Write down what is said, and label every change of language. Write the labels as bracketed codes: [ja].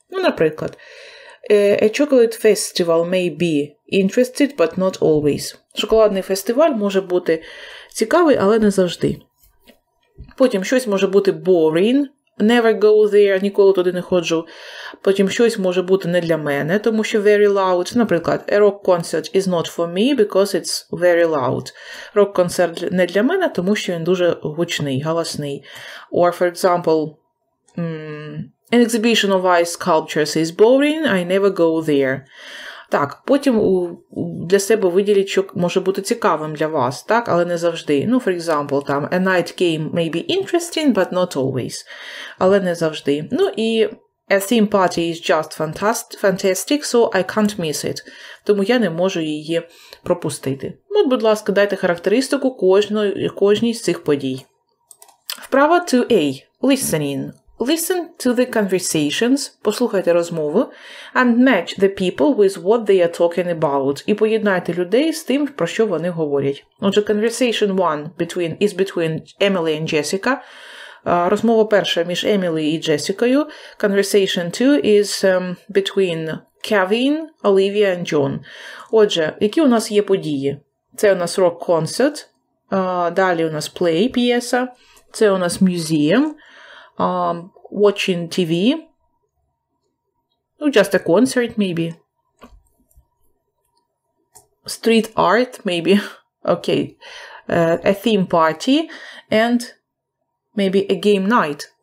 [uk] Ну, наприклад, [en] a chocolate festival may be interested, but not always. [uk] Шоколадний фестиваль може бути цікавий, але не завжди. Потім щось може бути boring. [en] Never go there, [uk] ніколи туди не ходжу. Потім щось може бути не для мене, тому що very loud. Наприклад, [en] a rock concert is not for me because it's very loud. [uk] Рок-концерт не для мене, тому що він дуже гучний, галасний. [en] Or, for example, an exhibition of ice sculptures is boring, I never go there. [uk] Так, потім для себе виділіть, що може бути цікавим для вас, так, але не завжди. [en] Ну, for example, там, a night game may be interesting, but not always. [uk] Але не завжди. [en] Ну, і a theme party is just fantastic, so I can't miss it. [uk] Тому я не можу її пропустити. Ну, будь ласка, дайте характеристику кожній з цих подій. Вправа 2A. Listening. [en] Listen to the conversations, [uk] послухайте розмову, [en] and match the people with what they are talking about. [uk] І поєднайте людей з тим, про що вони говорять. Отже, [en] conversation one is between Emily and Jessica. [uk] Розмова перша між Емілі і Джесікою. [en] Conversation two is between Kevin, Olivia and John. [uk] Отже, які у нас є події? Це у нас рок-концерт, далі у нас play, п'єса, це у нас музеєм, [en] watching TV, ну, just a concert, maybe, street art, maybe, okay, a theme party, and maybe a game night.